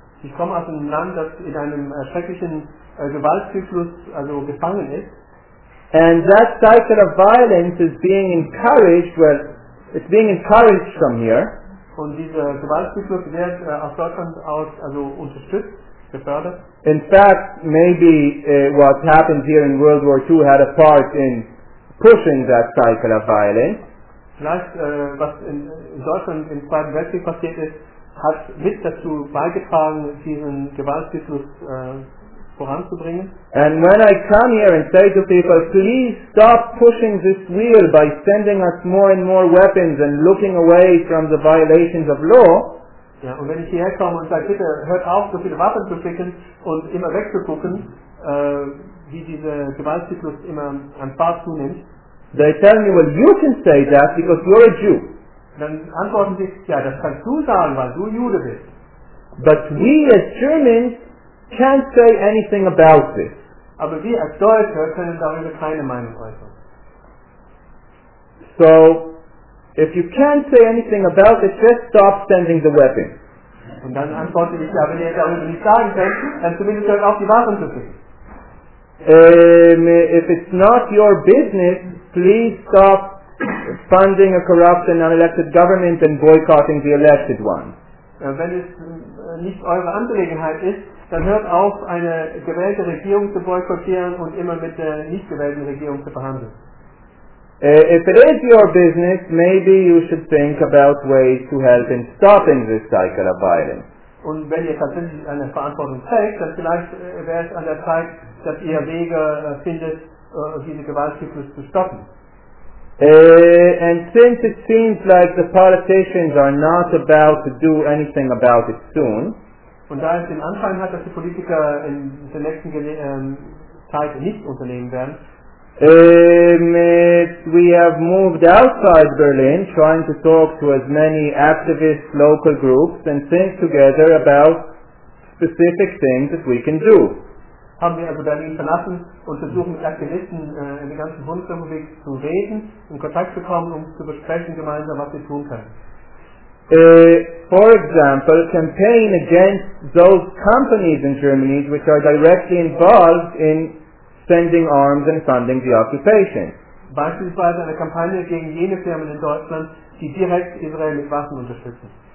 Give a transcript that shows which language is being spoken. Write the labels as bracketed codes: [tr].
[de] Ich komme aus einem Land, das in einem schrecklichen Gewaltzyklus also gefangen ist. [en] And that cycle of violence is being encouraged, it's being encouraged from here. [de] Und dieser Gewaltzyklus wird aus Deutschland aus also unterstützt, gefördert. [en] In fact, maybe what happened here in World War II had a part in pushing that cycle of violence. [de] Vielleicht, was in Deutschland im Zweiten Weltkrieg passiert ist, hat mit dazu beigetragen, diesen Gewaltzyklus voranzubringen. [en] And when I come here and say to people, please stop pushing this wheel by sending us more and more weapons and looking away from the violations of law. [de] Ja, und wenn ich hierher komme und sage, bitte hört auf, so viele Waffen zu schicken und immer wegzugucken, wie diese Gewaltzyklus immer an Fahrt zunimmt. [en] They tell me, well, you can say that because you're a Jew. [de] Dann antworten sie, ja, das kannst du sagen, weil du Jude bist. [en] But we as Germans can't say anything about this. [de] Aber wir als Deutsche können darüber keine Meinung äußern. [en] So, if you can't say anything about it, just stop sending the weapons. [de] Und dann antworte ich, ja, wenn ihr darüber nicht sagen könnt, dann zumindest hört auf, die Waffen zu schicken. [en] If it's not your business, please stop funding a corrupt and unelected government and boycotting the elected one. [de] Wenn es nicht eure Angelegenheit ist, dann hört auf, eine gewählte Regierung zu boykottieren und immer mit der nicht gewählten Regierung zu verhandeln. [en] If it is your business, maybe you should think about ways to help in stopping this cycle of violence. [de] Und wenn ihr tatsächlich eine Verantwortung trägt, dann vielleicht wäre es an der Zeit, dass ihr Wege findet, diese Gewaltzyklus zu stoppen. [en] And since it seems like the politicians are not about to do anything about it soon, [de] und da es den Anschein hat, dass die Politiker in der nächsten Zeit nichts unternehmen werden, [en] We have moved outside Berlin, trying to talk to as many activist local groups and think together about specific things that we can do. [de] Haben wir also Berlin verlassen und versuchen mit Aktivisten in den ganzen Bundesrepublik zu reden, in Kontakt zu kommen, um zu besprechen gemeinsam, was wir tun können. [en] For example, campaign against those companies in Germany which are directly involved in sending arms and funding the occupation. [de] Beispielsweise eine Kampagne gegen jene Firmen in Deutschland, die direkt Israel mit Waffen unterstützen.